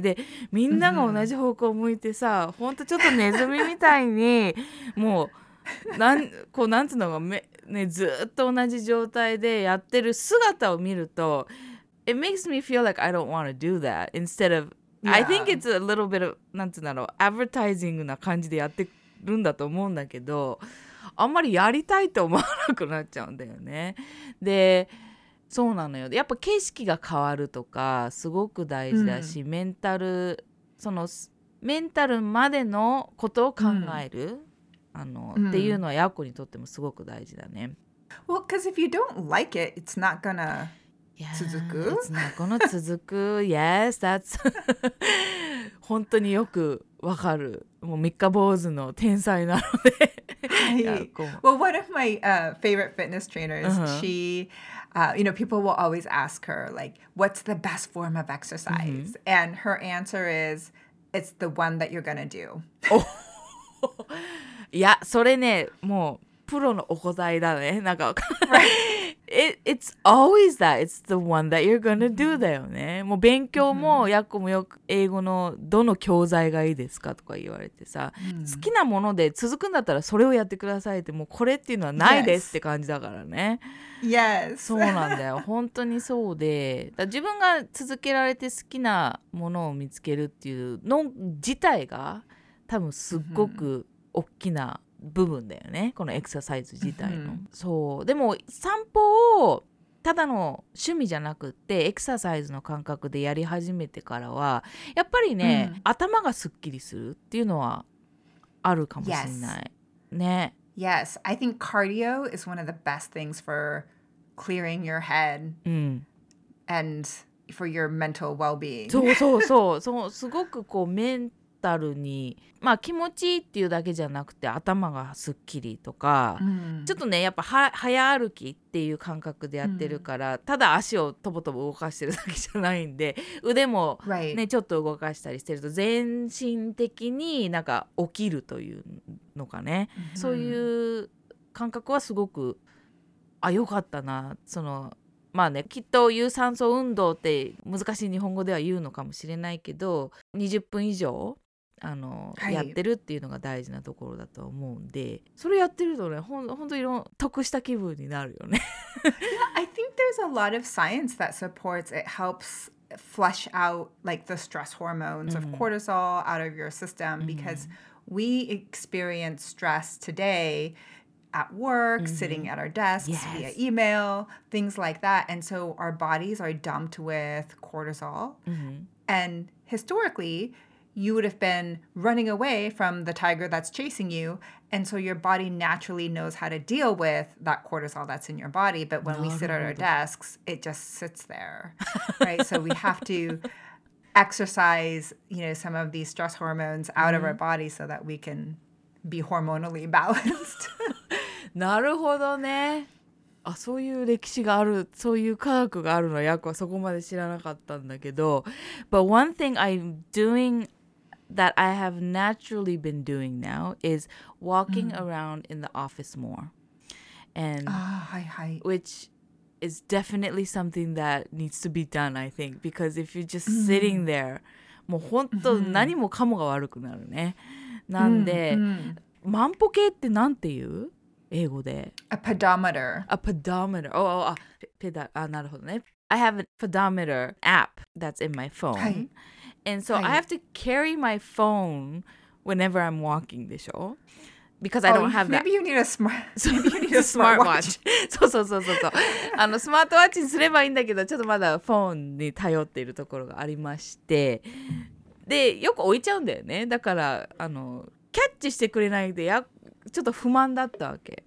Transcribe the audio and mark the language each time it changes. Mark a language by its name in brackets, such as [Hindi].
[Japanese] で、みんなが同じ方向を向いてさ、ほんとちょっとネズミみたいに、もう、なんつうのが、ね、ずっと同じ状態でやってる姿を見ると、 [English] It makes me feel like I don't want to do that instead of,Yeah. I think it's a little bit of, [Japanese] なんていうんだろう、advertisingな感じでやってるんだと思うんだけど、あんまりやりたいと思わなくなっちゃうんだよね。で、そうなのよ。やっぱ景色が変わるとかすごく大事だし、メンタル、そのメンタルまでのことを考える、っていうのはヤコにとってもすごく大事だね。 [English] Well, because if you don't like it, it's not gonna... [Japanese] 続く [English] Yes, that's [Japanese] 本当によくわかる。もう三日坊主の天才なので。 [English] Well, one of my favorite fitness trainers,she, people will always ask her, like, what's the best form of exercise?、Mm-hmm. And her answer is, it's the one that you're gonna do. [Japanese] いや、それね、もうプロのお答えだね。なんか分かんない。 [English] It's always that. It's the one that you're gonna do [Japanese] だよね。もう勉強もヤコもよく英語のどの教材がいいですかとか言われてさ、好きなもので続くんだったらそれをやってくださいって、もうこれっていうのはないですって感じだからね。 [English] Yes. [Japanese] そうなんだよ。本当にそうで、だ自分が続けられて好きなものを見つけるっていうの自体が多分すっごく大きな部分だよね、このエクササイズ自体の、そう。でも散歩をただの趣味じゃなくってエクササイズの感覚でやり始めてからはやっぱりね、頭がすっきりするっていうのはあるかもしれない、ね。 [English] Yes, I think cardio is one of the best things for clearing your head、and for your mental well-being. [Japanese] そうそう、すごくこうメンタルに、まあ気持ちいいっていうだけじゃなくて頭がすっきりとか、ちょっとね、やっぱ早歩きっていう感覚でやってるから、ただ足をとぼとぼ動かしてるだけじゃないんで、腕もね、ちょっと動かしたりしてると全身的になんか起きるというのかね、そういう感覚はすごく、あ、よかったな。そのまあね、きっと有酸素運動って難しい日本語では言うのかもしれないけど、20分以上やってるっていうのが大事なところだと思うんで、それやってるとね、ほんといろんな得した気分になるよね。 [English] Yeah, I think there's a lot of science that supports it helps flush out like the stress hormones of cortisol out of your system because we experience stress today. At work, sitting at our desks, via email, things like that. And so our bodies are dumped with cortisol. And historically, you would have been running away from the tiger that's chasing you. And so your body naturally knows how to deal with that cortisol that's in your body. But when we sit at our desks, it just sits there, right? So we have to exercise, you know, some of these stress hormones out of our body so that we can be hormonally balanced. [Japanese] なるほどね。あ、そういう歴史がある、そういう科学があるの、ヤクはそこまで知らなかったんだけど。 [English] But one thing I'm doing that I have naturally been doing now is walking around in the office more. And which is definitely something that needs to be done, I think. Because if you're just sitting there, [Japanese] もう本当何もかもが悪くなるね。なんで、万歩計ってなんて言う？英語で。 [English] A pedometer. A pedometer. Oh, oh, oh. [Japanese] なるほどね。 [English] I have a pedometer app that's in my phone. [Japanese] はい。 [English] And so I have to carry my phone whenever I'm walking, [Japanese] でしょ? [English] Because I don't have maybe that. You need a smart, so maybe you need a smartwatch. [Japanese] そうそうそうそうそう。あの、スマートウォッチにすればいいんだけど、ちょっとまだフォンに頼っているところがありまして。で、よく置いちゃうんだよね。だから、あの、キャッチしてくれないで、ちょっと不満だったわけ。